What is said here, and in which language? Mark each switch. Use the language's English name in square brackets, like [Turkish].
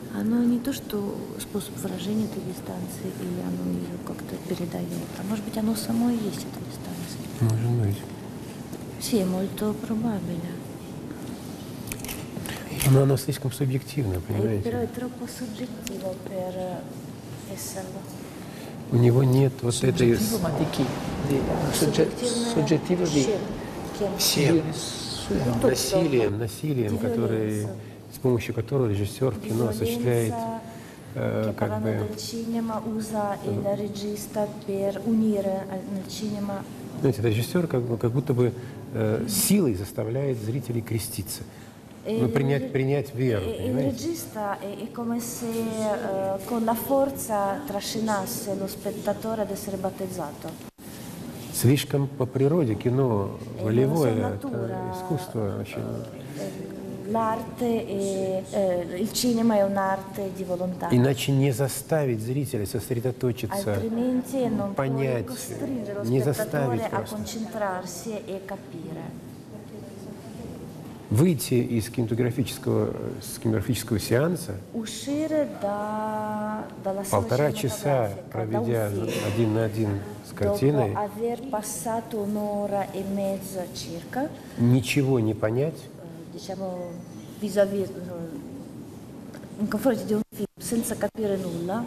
[Russian] Оно не то, что способ выражения этой дистанции, или оно ее как-то передает, а может быть, оно само и есть, эта дистанция. Может быть. [Italian] Sì, molto probabile. [Russian] Но оно слишком субъективно, понимаете? [Italian] Però è troppo soggettivo per esserlo. [Russian] У него нет вот этой... Субъективно [Italian] ma di chi? [Russian] Субъективно [Italian] di... [Russian] Всем. Насилием, который... с помощью которого режиссер в кино осуществляет как бы знаете, режиссер как будто бы силой заставляет зрителей креститься, принять веру. [Italian] Il regista è come se con la forza trascinasse lo spettatore ad essere battezzato. [Russian] Слишком по природе кино волевое, это искусство вообще. [Italian] L'arte e il cinema è un'arte di volontà. [Russian] Иначе не заставить зрителя сосредоточиться, понять, не заставить просто [Italian] концентрарсе и капире. [Russian] Выйти из кинематографического сеанса. [Italian] Uscire da dalla sala. [Russian] Полтора часа проведя один на один с картиной. [Italian] Dopo aver passato un'ora e mezza circa. [Russian] Ничего не понять. [Italian] Diciamo vis-à-vis, in confronto di un film senza capire nulla.